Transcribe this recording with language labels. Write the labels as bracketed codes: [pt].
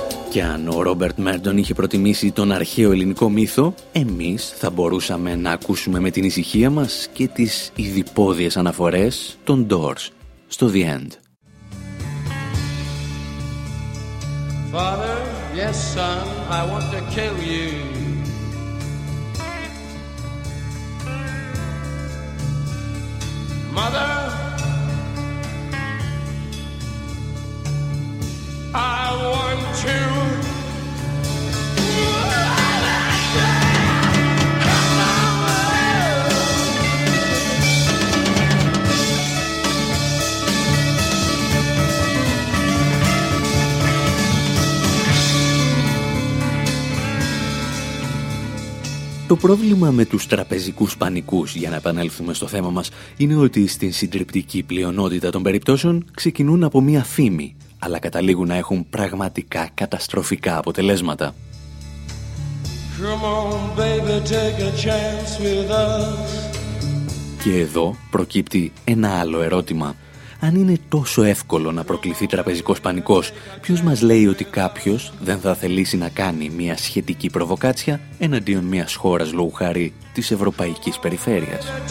[el] Και αν ο Ρόμπερτ Μέρντον είχε προτιμήσει τον αρχαίο ελληνικό μύθο, εμείς θα μπορούσαμε να ακούσουμε με την ησυχία μας και τις ειδιπόδιες αναφορές των Doors στο The End. [en] Father, yes son, I want to kill you. Mother, I want to. [el] Το πρόβλημα με τους τραπεζικούς πανικούς, για να επανέλθουμε στο θέμα μας, είναι ότι στην συντριπτική πλειονότητα των περιπτώσεων ξεκινούν από μία φήμη, αλλά καταλήγουν να έχουν πραγματικά καταστροφικά αποτελέσματα. [en] Come on, baby, take a chance with us. [el] Και εδώ προκύπτει ένα άλλο ερώτημα. Αν είναι τόσο εύκολο να προκληθεί τραπεζικός πανικός, ποιος μας λέει ότι κάποιος δεν θα θελήσει να κάνει μια σχετική προβοκάτσια εναντίον μιας χώρας λόγου χάρη της Ευρωπαϊκής Περιφέρειας.